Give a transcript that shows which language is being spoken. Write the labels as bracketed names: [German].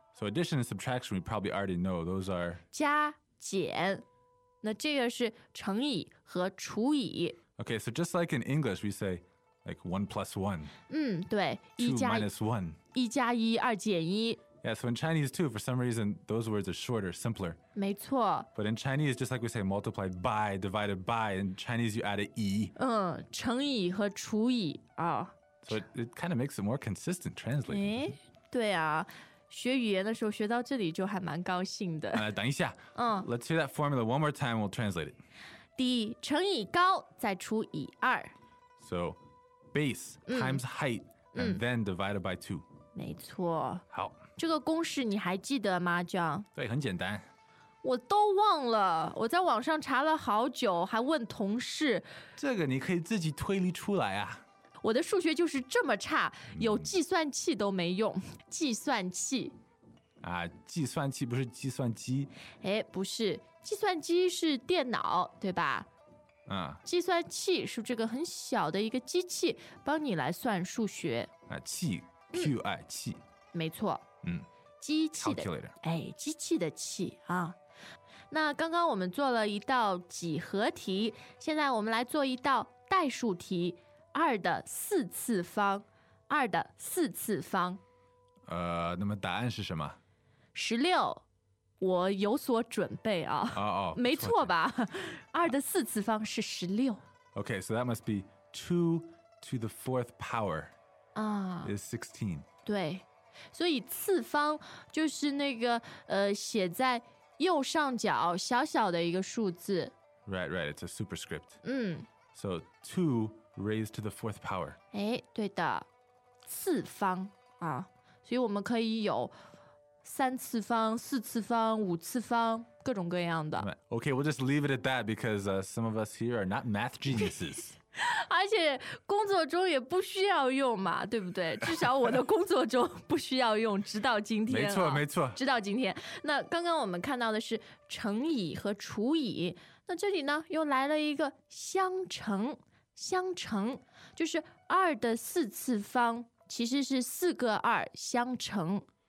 [English] So addition and subtraction we probably already know those are [Chinese] 加减，那这个是乘以和除以。 [English] Okay, so just like in English we say like 1+1. [Chinese] 嗯，对， [English] 2-1, [Chinese] 一加一，二减一。 [English] Yeah, so in Chinese too for some reason those words are shorter, simpler. [Chinese] 没错。 [English] But in Chinese just like we say multiplied by, divided by, in Chinese you add a 一。 [Chinese] 嗯，乘以和除以啊。Oh. [English] So it kind of makes it more consistent translating. [Chinese] 诶，对啊，学语言的时候学到这里就还蛮高兴的。等一下， [English] Let's hear that formula one more time, we'll translate it. [Chinese] 底乘以高再除以二。 [English] So base times height and then divided by 2. [Chinese] 没错。好。这个公式你还记得吗，John？对，很简单。我都忘了，我在网上查了好久，还问同事。这个你可以自己推理出来啊。我的数学就是这么差，有计算器都没用。计算器啊，计算器不是计算机？哎，不是，计算机是电脑，对吧？啊，计算器是这个很小的一个机器，帮你来算数学啊。器 ，QI 器，没错，机器的，哎，机器的器啊。那刚刚我们做了一道几何题，现在我们来做一道代数题。二的四次方，二的四次方。那么答案是什么？ 16，我有所准备啊。哦，没错吧？二的四次方是16。 [English] Okay, so that must be 2 to the 4th power. 啊，is 16. [Chinese] 对，所以次方就是那个写在右上角小小的一个数字。 [English] Right, right. It's a superscript. 嗯。 So 2 raised to the 4th power. [Chinese] 诶，对的，次方啊，所以我们可以有三次方、四次方、五次方，各种各样的。 [English] Okay, we'll just leave it at that because some of us here are not math geniuses. [Chinese] 而且工作中也不需要用嘛，对不对？至少我的工作中不需要用，直到今天。没错，没错。直到今天。那刚刚我们看到的是乘以和除以，那这里呢又来了一个相乘。相乘就是二的四次方，其实是四个二相乘。